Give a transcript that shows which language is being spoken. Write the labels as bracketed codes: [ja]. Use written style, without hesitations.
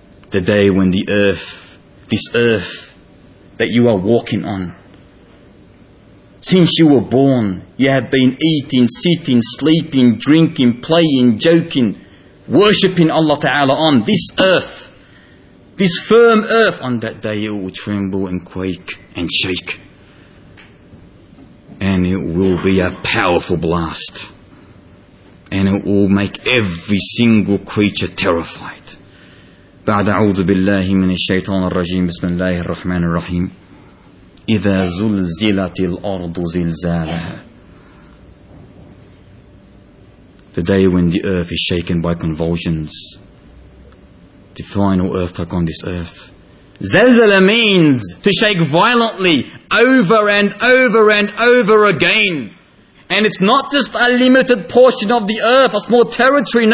[en] The day when the earth, this earth that you are walking on, since you were born, you have been eating, sitting, sleeping, drinking, playing, joking, worshipping Allah Ta'ala on this earth, this firm earth, on that day it will tremble and quake and shake. And it will be a powerful blast. And it will make every single creature terrified. [ar] بعد أعوذ بالله من الشيطان الرجيم بسم الله الرحمن الرحيم إذا زلزلت الأرض زلزالها. [en] The day when the earth is shaken by convulsions. The final earthquake on this earth. Zalzala means to shake violently over and over and over again. And it's not just a limited portion of the earth, a small territory.